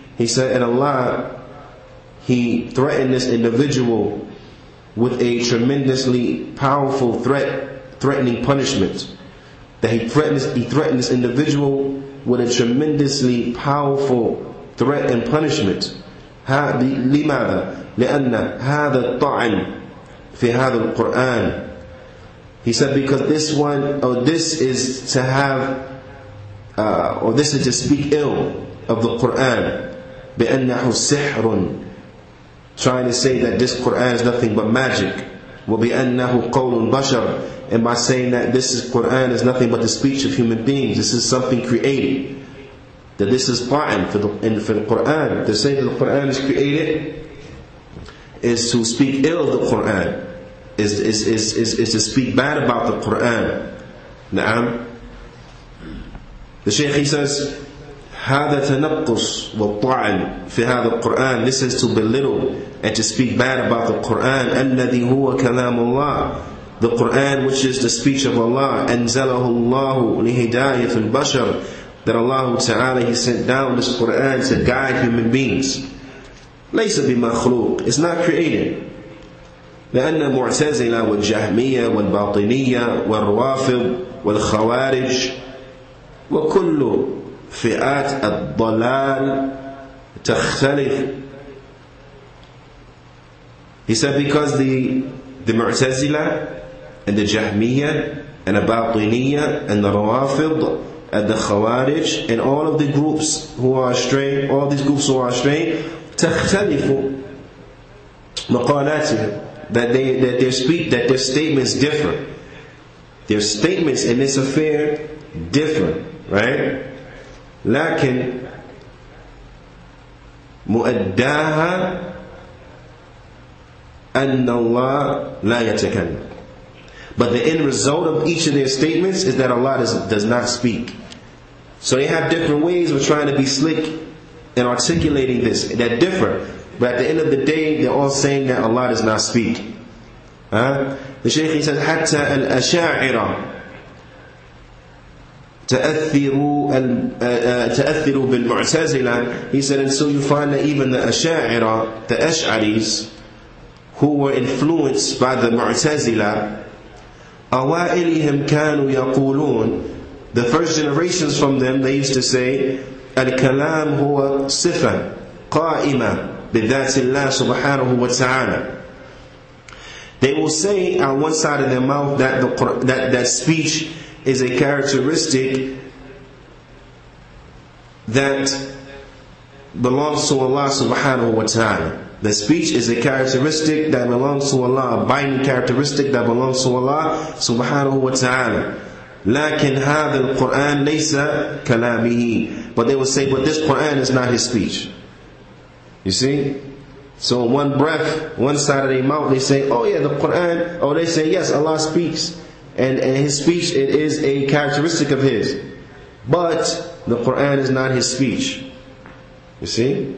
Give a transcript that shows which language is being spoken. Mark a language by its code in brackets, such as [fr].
[en] He said, and Allah, He threatened this individual with a tremendously powerful threat, threatening punishment. That he threatened this individual with a tremendously powerful threat and punishment. [ar] لماذا؟ لأن هذا الطعن في هذا القرآن. [en] He said, because this is to speak ill of the Quran. [ar] بأنه سحر. [en] Trying to say that this Quran is nothing but magic. [ar] وبأنه قول بشر. [en] And by saying that this is Quran is nothing but the speech of human beings. This is something created. That this is ta'an for the Quran. To say that the Quran is created is to speak ill of the Quran. Is to speak bad about the Quran. Na'am. The Shaykh, he says, [ar] هَذَا تَنَقُّسْ وَالطَّعَنْ فِي هَذَا الْقُرْآنِ. [en] This is to belittle and to speak bad about the Quran. [ar] أَنَّذِي هُوَ كَلَامُ اللَّهِ. [en] The Quran, which is the speech of Allah. [ar] أَنْزَلَهُ اللَّهُ لِهِدَايَةٍ بَشَرٍ. [en] That Allah Ta'ala, He sent down this Quran to guide human beings. [ar] لَيْسَ بِمَخْلُوقٍ. [en] It's not created. [ar] لأن معتزلة والجهمية والباطنية والروافض والخوارج وكل فئات الضلال تختلف. [en] He said because the معتزلة and the جهمية and the باطنية and the روافض and the خوارج and all of the groups who are astray, all these groups who are astray, [ar] تختلف مقالاتهم. [en] That their statements differ. Their statements in this affair differ, right? [ar] لكن مؤداها أن الله لا يتكلم. [en] But the end result of each of their statements is that Allah does not speak. So they have different ways of trying to be slick and articulating this that differ. But at the end of the day, they're all saying that Allah does not speak. The Shaykh, he says, [ar] حتى الأشاعرة تأثروا بالمعتزلة. [en] He said, and so you find that even the أشاعرة, the Ash'aris, who were influenced by the معتزلة, [ar] أوائلهم كانوا يقولون, [en] the first generations from them, they used to say, [ar] الكلام هو صفة قائمة بذات الله سبحانه وتعالى. [en] They will say on one side of their mouth that the that speech is a characteristic that belongs to Allah subhanahu wa ta'ala. The speech is a characteristic that belongs to Allah, a binding characteristic that belongs to Allah subhanahu wa ta'ala. [ar] لكن هذا القرآن ليس كلامه. [en] But they will say, but this Quran is not his speech. You see? So one breath, one side of their mouth, they say, oh yeah, the Qur'an. Oh, they say, yes, Allah speaks. And His speech, it is a characteristic of His. But the Qur'an is not His speech. You see?